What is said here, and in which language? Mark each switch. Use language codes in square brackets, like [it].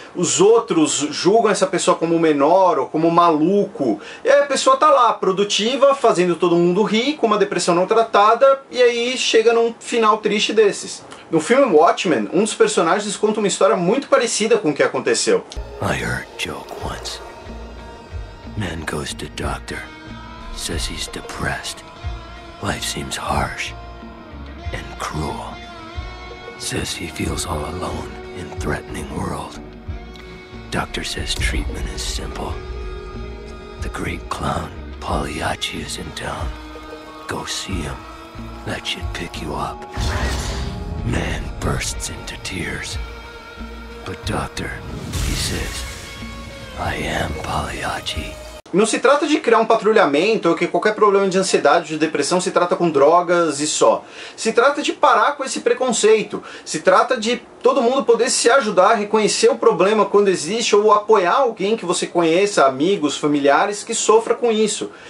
[pt] Os outros julgam essa pessoa como menor ou como maluco. E aí a pessoa tá lá, produtiva, fazendo todo mundo rir, com uma depressão não tratada, e aí chega num final triste desses. No filme Watchmen, um dos personagens conta uma história muito parecida com o que aconteceu. [en] I heard joke once. Man goes to doctor, says he's depressed. Life seems harsh and cruel. Says he feels all alone in threatening world. Doctor says treatment is simple. The great clown Pagliacci is in town. Go see him. That should pick you up. Man bursts into tears. But doctor, he says, I am Pagliacci. [pt] Não se trata de criar um patrulhamento ou que qualquer problema de ansiedade ou de depressão se trata com drogas e só. Se trata de parar com esse preconceito. Se trata de todo mundo poder se ajudar, reconhecer o problema quando existe ou apoiar alguém que você conheça, amigos, familiares, que sofra com isso.